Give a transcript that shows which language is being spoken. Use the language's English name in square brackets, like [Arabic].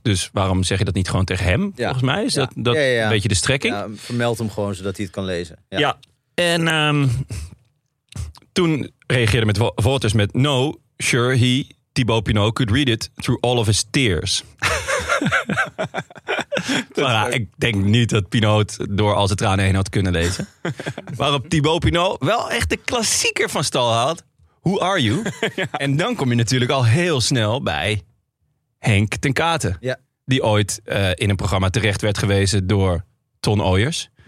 [Dutch] Dus waarom zeg je dat niet gewoon tegen hem, ja. Volgens mij? Is ja. dat ja, ja, ja. een beetje de strekking? Ja, vermeld hem gewoon, zodat hij het kan lezen. Ja, ja. En toen reageerde met Vaughters met, [English] no, sure, he, Thibaut Pinot, could read it through all of his tears. [Dutch] Maar, ik denk niet dat Pinot door al zijn tranen heen had kunnen lezen. Waarop Thibaut Pinot wel echt de klassieker van stal haalt. [English] Who are you? [Dutch] Ja. En dan kom je natuurlijk al heel snel bij Henk ten Kate. Ja. Die ooit in een programma terecht werd gewezen door Ton Oyers.